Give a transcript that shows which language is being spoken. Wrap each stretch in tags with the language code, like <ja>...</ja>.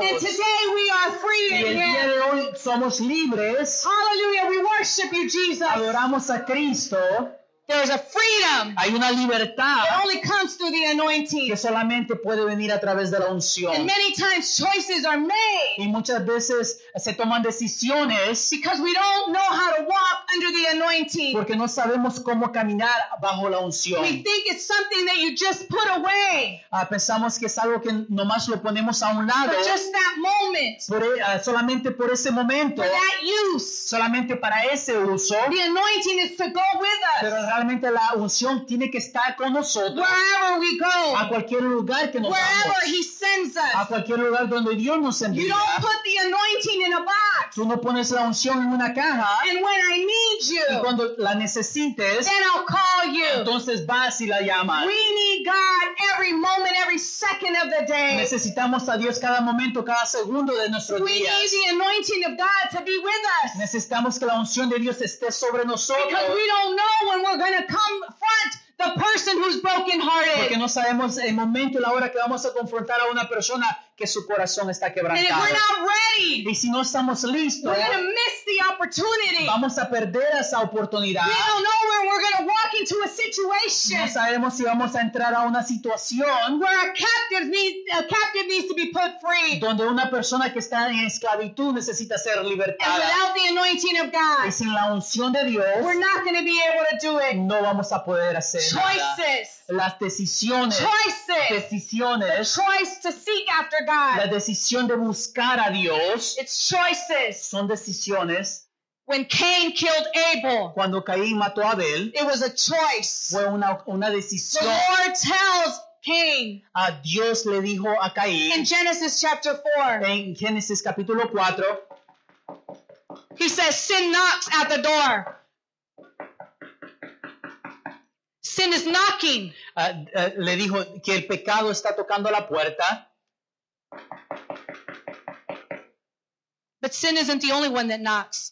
<en>And today we are free</en> <es>y el día de hoy somos libres.</es> <en>Hallelujah, we worship you, Jesus.</en> <es>Adoramos a Cristo.</es> <en>There's a freedom.</en> <es>Hay una libertad.</es> <en>It only comes through the anointing.</en> <es>Que solamente puede venir a través de la unción.</es> <en>And many times choices are made.</en> <es>Y muchas veces se toman decisiones.</es> <en>Because we don't know how to walk under the anointing.</en> <es>Porque no sabemos cómo caminar bajo la unción.</es> <en>We think it's something that you just put away.</en> <es>Pensamos que es algo que nomás lo ponemos a un lado.</es> <en>For just that moment.</en> <es>Solamente por ese momento.</es> <en>For that use.</en> <es>Solamente para ese uso.</es> <en>The anointing is to go with us.</en> <es>Pero realmente la unción tiene que estar con nosotros.</es> <en>Wherever we go.</en> <es>A cualquier lugar que nos</es> <en>wherever</en> <es>vamos.</es> <en>He sends us.</en> <es>A cualquier lugar donde Dios nos envía.</es> <en>You don't put the anointing in a box.</en> <es>Tú no pones la unción en una caja.</es> <en>And when I need you.</en> <es>Y cuando la necesites.</es> <en>Then I'll call you.</en> <es>Entonces vas y la llamas.</es> <en>We need God every moment, every second of the day.</en> <es>Necesitamos a Dios cada momento, cada segundo de nuestro</es> <en>we</en> <es>día.</es> <en>We need the anointing of God to be with us.</en> <es>Necesitamos que la unción de Dios esté sobre nosotros.</es> <en>Because we don't know when we're going to confront the person who's brokenhearted.</en> <es>Porque no sabemos el momento y la hora que vamos a confrontar a una persona que su corazón está quebrantado.</es> <en>And if we're not ready,</en> <es>y si no estamos listos,</es> <en>we're going to miss the opportunity.</en> <es>Vamos a perder esa oportunidad.</es> <en>We don't know where we're going to walk into a situation.</en> <es>No sabemos si vamos a entrar a una situación</es> <en>where a captive needs to be put free.</en> <es>Donde una persona que está en esclavitud necesita ser libertada.</es> <en>And without the anointing of God,</en> <es>y sin la unción de Dios,</es> <en>we're not going to be able to do it.</en> <es>No vamos a poder hacer</es> <en>choices.</en> <es>Nada. Las decisiones.</es> <en>Choices.</en> <es>Decisiones.</es> <en>The choice to seek after God.</en> <es>La decisión de buscar a Dios.</es> <en>It's choices.</en> <es>Son decisiones.</es> <en>When Cain killed Abel.</en> <es>Cuando Caín mató a Abel.</es> <en>It was a choice.</en> <es>Fue una decisión.</es> <en>The Lord tells Cain.</en> <es>A Dios le dijo a Caín.</es> <en>In Genesis chapter 4.</en> <es>En Génesis capítulo 4.</es> <en>He says, sin knocks at the door. Sin is knocking.</en> <es>Le dijo que el pecado está tocando la puerta.</es> <en>But sin isn't the only one that knocks.</en>